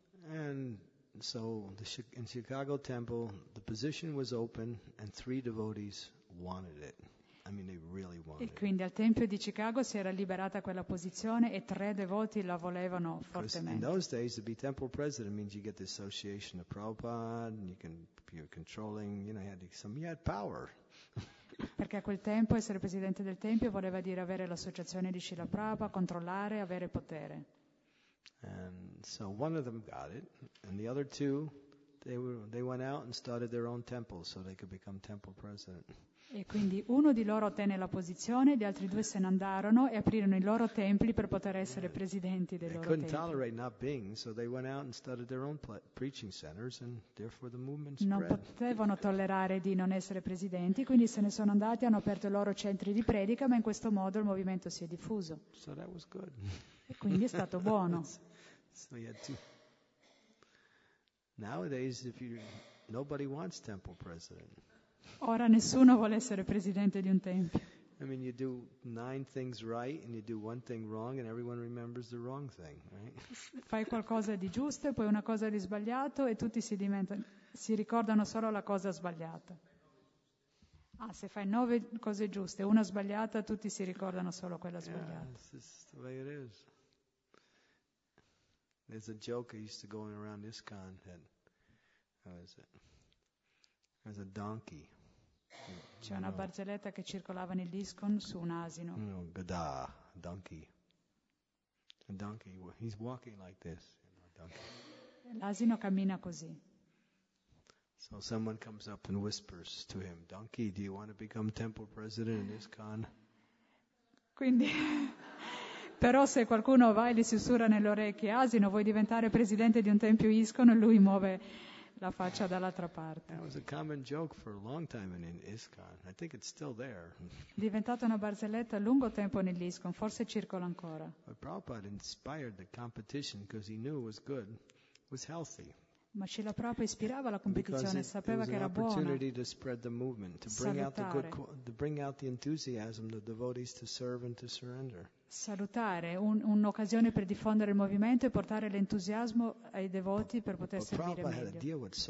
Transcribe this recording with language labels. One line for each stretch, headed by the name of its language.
English: And so in Chicago Temple, the position was open and three devotees wanted it. I mean, they really wanted.
Italian: E quindi al tempio di Chicago si era liberata quella posizione e tre devoti la volevano fortemente.
English: In those days, to be temple president means you get the association of Prabhupada and you're controlling. You know, you had power.
Italian: Perché a quel tempo essere presidente del tempio voleva dire avere l'associazione di Srila Prabhupada, controllare, avere potere.
English: And so one of them got it, and the other two, they went out and started their own temple so they could become temple president.
Italian: E quindi uno di loro ottenne la posizione, gli altri due se ne andarono e aprirono i loro templi per poter essere presidenti dei loro templi. Non potevano tollerare di non essere presidenti, quindi se ne sono andati, hanno aperto i loro centri di predica, ma in questo modo il movimento si è diffuso.
English: So that was good.
Italian: E quindi è stato buono.
English: So you had two. Nowadays, if you, nobody wants temple president.
Italian: Ora nessuno vuole essere presidente di un tempio.
English: I mean, you do nine things right and you do one thing wrong and everyone remembers the wrong thing, right?
Italian: Fai qualcosa di giusto e poi una cosa di sbagliato e tutti si ricordano solo la cosa sbagliata. Ah, se fai nove cose giuste e una sbagliata, tutti si ricordano solo quella sbagliata.
English: Yeah, this is the way it is. There's a joke I used to go around ISKCON that how is it? As a donkey.
Italian: C'è una barzelletta che circolava nell'ISKCON su un asino.
English: No, gada, donkey. A donkey, he's walking like this.
Italian: L'asino cammina così.
English: So someone comes up and whispers to him, donkey, do you want to become temple president in ISKCON?
Italian: Quindi, però se qualcuno va e gli sussurra nell'orecchio, asino, vuoi diventare presidente di un tempio ISKCON? E lui muove la faccia dall'altra parte.
English: That was a common joke for a long time in ISKCON. I think it's still there.
Italian: Diventata una barzelletta a lungo tempo nell'ISKCON, forse circola ancora.
English: But Prabhupada inspired the competition because he knew it was good, was healthy.
Italian: Ma Srila Prabhupada ispirava la competizione, sapeva che era buona.
English: To spread the movement, to bring out the good, to bring out the enthusiasm, the devotees to serve and to surrender.
Italian: Salutare, un'occasione per diffondere il movimento e portare l'entusiasmo ai devoti per poter servire meglio.